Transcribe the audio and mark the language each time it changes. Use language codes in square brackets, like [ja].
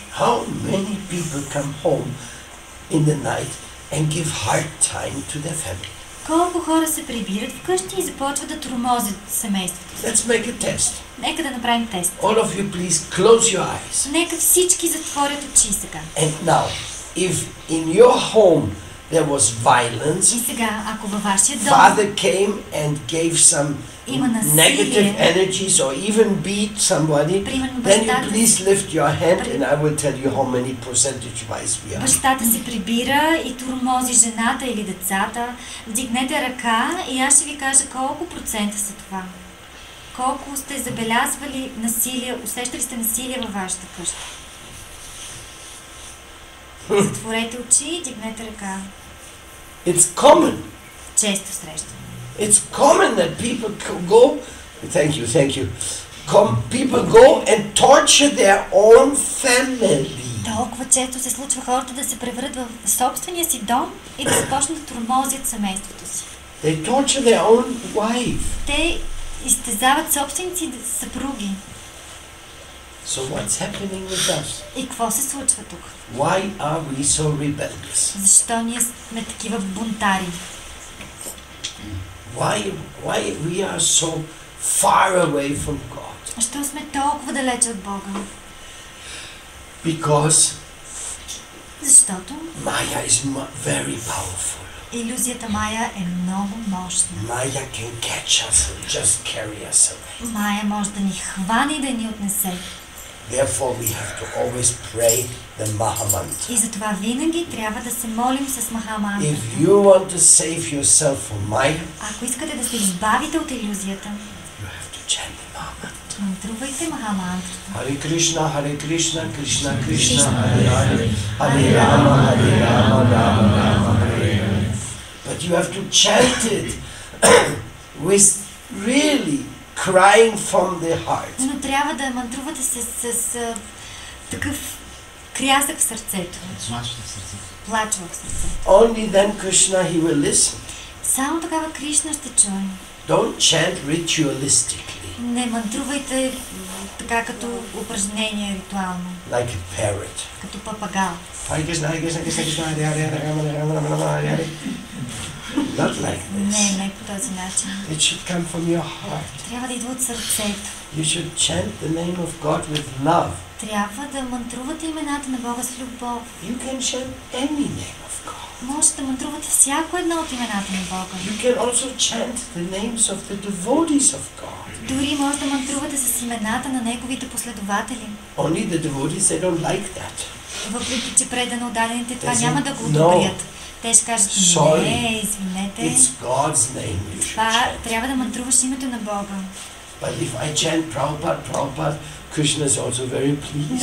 [en] How many people come home in the night and give hard time to their family? [bg] Колко хора се прибират вкъщи и започват да тормозят семейството? [en] Let's make a test. [bg] Нека да направим тест. [en] All of you please close your eyes. [bg] Нека всички затворят очи сега. [en] And now, if in your home There was violence. [bg] Сега, ако във вашия дом, [en] father came and gave some negative energies or even beat somebody, then you please lift your hand and I will tell you how many percentage wise we are. [bg] Бащата си прибира и турмози жената или децата. Вдигнете ръка и аз ще ви кажа колко процента са това. Колко сте забелязвали насилие, усещали сте насилие във вашата къща. Затворете очи и дигнете ръка. [en] It's common. [bg] Често срещам. [en] It's common that people go, thank you. Come, people go and torture their own family. [bg] Толкова често се случва хората да се превърнат в собствения си дом и да започнат да тормозят семейството си. [en] They torture their own wife. [bg] Те изтезават собственици съпруги. [en] So what's happening with us? [bg] И какво се случва тук? [en] Why are we so rebellious? [bg] Защо ние сме такива бунтари? [en] Why we are so far away from God? [bg] Защо сме толкова далеч от Бога? [en] Because [bg] защото [en] Maya is very powerful. [bg] Илюзията Maya е много мощна. [en] Maya can catch us and just carry us away. [bg] Maya може да ни хване и да ни отнесе. [en] Therefore we have to always pray the Mahamantra. [bg] И затова винаги трябва да се молим с Махамантра. [en] If you want to save yourself from Maya, [bg] ако искате да се избавите от илюзията, [en] you have to chant the Mahamantra. [bg] Мантрувайте Махамантрата. [sa] Hare Krishna, Hare Krishna, Krishna Krishna, Hare Hare, Hare Rama, Hare Rama, Rama Rama, Hare Hare. [en] But you have to chant it with really crying from the heart. [bg] Но трябва да мантрувате с такъв крясък в сърцето. Плач в сърцето. [en] Only then Krishna he will listen. [bg] Само тогава Кришна ще чуе. [en] Don't chant ritualistically. [bg] Не мантрувайте така като упражнение ритуално. [en] Like a parrot. [bg] Като папагал. [sa] Hare Krishna, Hare Krishna, Krishna Krishna, Hare Hare, Hare Rama, Hare Rama, Rama Rama, Hare Hare. [en] Not like this. [bg] Не, не по този начин. [en] It should come from your heart. [bg] Трябва да идва от сърцето. [en] You should chant the name of God with love. [bg] Трябва да мантрувате имената на Бога с любов. [en] You can chant any name of God. [bg] Можете да мантрувате всяко едно от имената на Бога. [en] You can also chant the names of the devotees of God. [bg] Дори можете да мантрувате с имената на неговите последователи. [en] Only the devotees, they don't like that. [bg] Въпреки че предано отдадените, това няма да го одобрят. Те ще кажат, не, извинете. [en] It's God's name. [bg] Това трябва да мантруваш името на Бога. [en] But if I chant Prabhupada, Prabhupada, Krishna is also very pleased.